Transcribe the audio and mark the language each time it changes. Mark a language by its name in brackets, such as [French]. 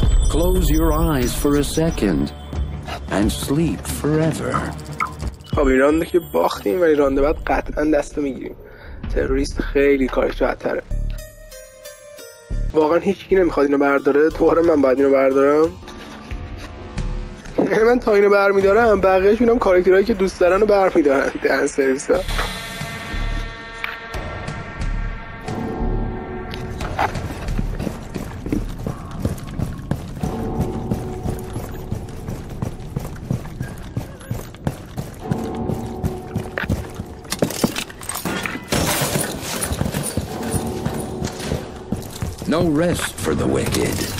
[English] Close your eyes for a second and sleep forever. [Persian] خب این رانده که باختیم ولی رانده بعد قطعا دستو میگیریم. تروریست خیلی کارش بدتره. واقعا هیچکی نمیخواد اینو برداره. دوباره من باید اینو بردارم. من تا اینو برمیدارم بقیهشون هم کارکترهایی که دوست دارن رو برمیدارن. دن سرویس ها [English] No rest for the wicked.